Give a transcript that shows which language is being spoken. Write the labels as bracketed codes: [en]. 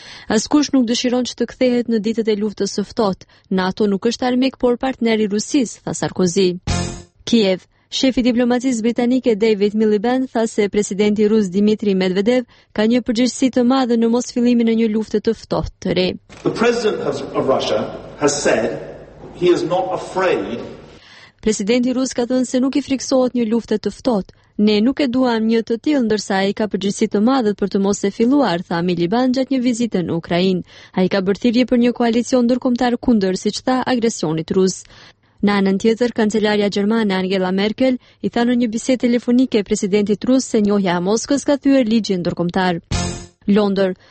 [sq] Askush nuk dëshiron që të kthehet në ditët e luftës së ftohtë. NATO nuk është armik, por partner i Rusisë, tha Sarkozy. Kiev. Shefi diplomacisë britanike David Miliband tha se presidenti rus Dimitri Medvedev ka një përgjegjësi të madhe në mos fillimin e një lufte të ftohtë të re. [en] The president of Russia has said he is not afraid. [sq] Presidenti rus ka thënë se nuk i friksohet një lufte të ftohtë. Ne nuk e duam një të tillë, ndërsa ai ka përgjegjësi të madhe për të mos e filluar, tha Miliband gjatë një vizite në Ukrainë. Ai ka bërë thirrje për një koalicion ndërkombëtar kundër, siç tha, agresionit rus. Në anën tjetër, kancelarja gjermane Angela Merkel i tha në një bisedë telefonike presidentit rus se njohja e Moskës ka thyer ligjin ndërkombëtar. Londër.